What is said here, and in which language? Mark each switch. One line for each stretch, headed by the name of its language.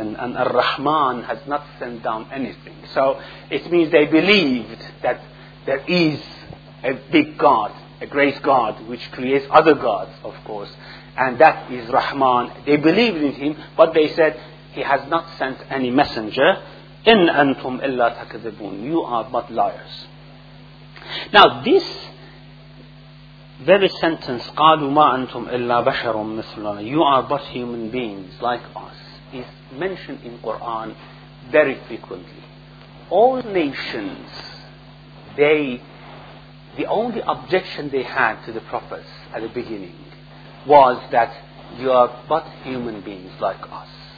English: And Ar-Rahman has not sent down anything. So, it means they believed that there is a big God, a great God, which creates other gods, of course. And that is Rahman. They believed in him, but they said, he has not sent any messenger.
Arabic: إِنْ أَنْتُمْ إِلَّا تَكَذِبُونَ.
English: You are but liars. Now, this very sentence,
Arabic: قَالُوا مَا أَنْتُمْ إِلَّا بَشَرٌ مِثْلُنَا.
English: You are but human beings like us, is mentioned in Quran very frequently. All nations, the only objection they had to the prophets at the beginning was that you are but human beings like us.